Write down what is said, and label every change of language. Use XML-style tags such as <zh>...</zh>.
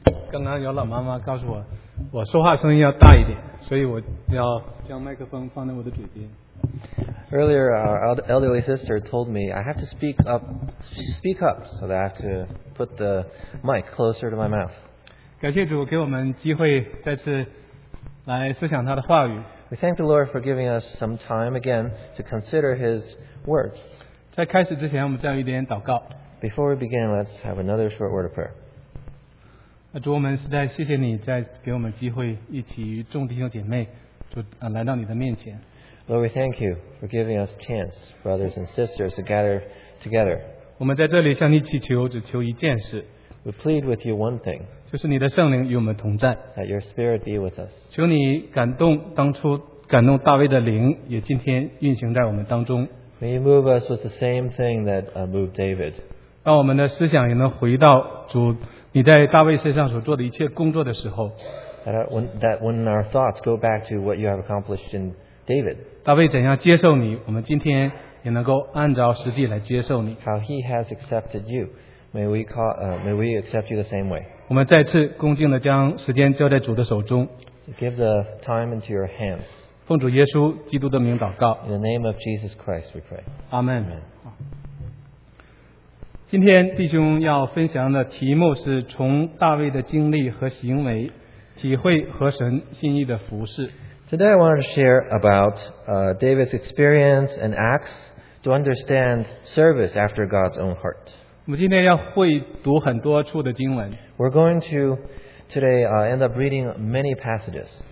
<zh>刚刚有老妈妈告诉我，我说话声音要大一点，所以我要将麦克风放在我的嘴边。</zh> <en>Earlier, our elderly sister told me I have to speak up, so that I have to put the mic closer to my mouth.</en> <zh>感谢主给我们机会再次来思想他的话语。</zh> <en>We thank the Lord for giving us some time again to consider His words.</en> <zh>在开始之前，我们再有一点祷告。</zh> <en>Before we begin, let's have another short word of prayer.</en> <zh>主，我们实在谢谢你再给我们机会一起与众弟兄姐妹就来到你的面前。</zh> <en>Lord, we thank you for giving us chance, brothers and sisters, to gather together.</en> <zh>我们在这里向你祈求，只求一件事。</zh> <en>We plead with you one thing.</en> <zh>就是你的圣灵与我们同在。</zh> <en>That your spirit be with us.</en> <zh>求你感动当初感动大卫的灵，也今天运行在我们当中。</zh> <en>May you move us with the same thing that moved David.</en> <zh>让我们的思想也能回到主你在大卫身上所做的一切工作的时候</zh> <en>that when our thoughts go back to what you have accomplished in David,</en> <zh>大卫怎样接受你，我们今天也能够按照实际来接受你。</zh> <en>How he has accepted you, may we accept you the same way.</en> <zh>我们再次恭敬地将时间交在主的手中。</zh> <en>Give the time into your hands.</en> <zh>奉主耶稣基督的名祷告。</zh> <en>In the name of Jesus Christ, we pray. Amen. Amen.</en> <zh>今天弟兄要分享的题目是从大卫的经历和行为体会和神心意的服事。</zh> <en>Today I want to share about David's experience and acts to understand service after God's own heart.</en> <zh>我们今天要会读很多处的经文。</zh> <en>We're going to today end up reading many passages.</en>